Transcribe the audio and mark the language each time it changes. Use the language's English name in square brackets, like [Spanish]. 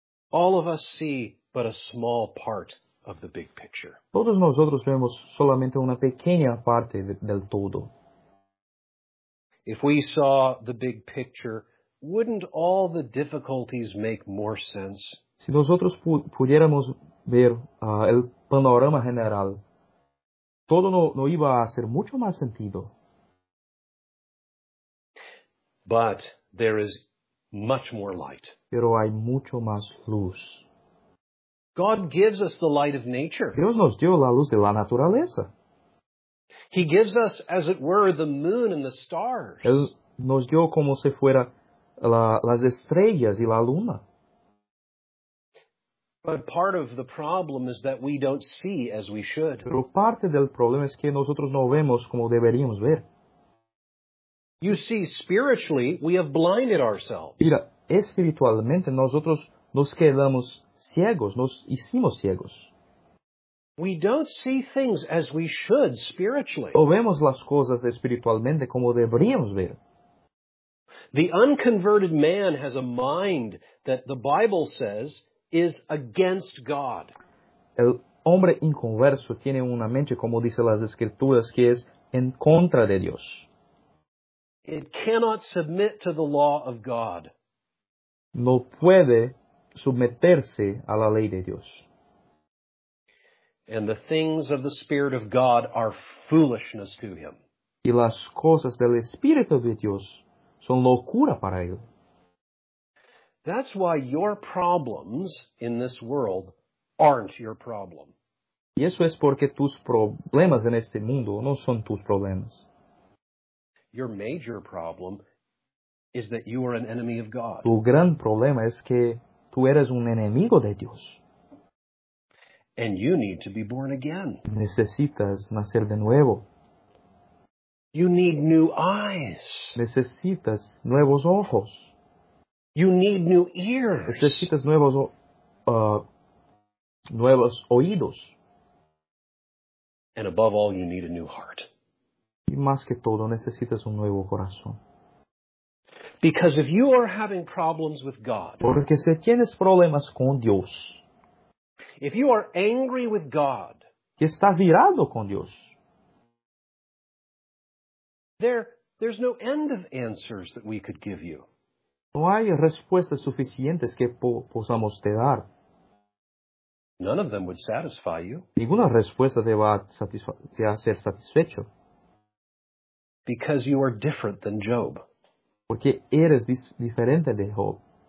[English] All of us see but a small part of the big picture. [Spanish] Todos nosotros vemos solamente una pequeña parte del todo. [English] If we saw the big picture, wouldn't all the difficulties make more sense? [Spanish] Si nosotros pudiéramos ver el panorama general, todo no iba a hacer mucho más sentido. [English] But there is much more light. [Spanish] Pero hay mucho más luz. [English] God gives us the light of nature. [Spanish] Dios nos dio la luz de la naturaleza. [English] He gives us, as it were, the moon and the stars. [Spanish] Él nos dio como si fuera las estrellas y la luna. [English] But part of the problem is that we don't see as we should. [Spanish] Pero parte del problema es que nosotros no vemos como deberíamos ver. [English] You see, spiritually, we have blinded ourselves. [Spanish] Mira, espiritualmente nosotros nos quedamos ciegos, nos hicimos ciegos. [English] We don't see things as we should spiritually. [Spanish] No vemos las cosas espiritualmente como deberíamos ver. [English] The unconverted man has a mind that the Bible says is against God. [Spanish] El hombre inconverso tiene una mente, como dice las Escrituras, que es en contra de Dios. [English] It cannot submit to the law of God. [Spanish] No puede someterse a la ley de Dios. [English] And the things of the Spirit of God are foolishness to him. [Spanish] Y las cosas del Espíritu de Dios son locura para él. [English] That's why your problems in this world aren't your problem. [Spanish] Y eso es porque tus problemas en este mundo no son tus problemas. [English] Your major problem is that you are an enemy of God. [Spanish] Tu gran problema es que tú eres un enemigo de Dios. [English] And you need to be born again. [Spanish] Necesitas nacer de nuevo. [English] You need new eyes. [Spanish] Necesitas nuevos ojos. [English] You need new ears. [Spanish] Necesitas nuevos oídos. [English] And above all, you need a new heart. [Spanish] Y más que todo, necesitas un nuevo corazón. [English] Because if you are having problems with God, [Spanish] porque si tienes problemas con Dios, [English] if you are angry with God, [Spanish] que estás irado con Dios, [English] There's no end of answers that we could give you. [Spanish] No hay respuestas suficientes que podamos te dar. [English] None of them would satisfy you. [Spanish] Ninguna respuesta te va a hacer satisfecho. [English] Because you are different than Job. [Spanish] Porque eres diferente de Job.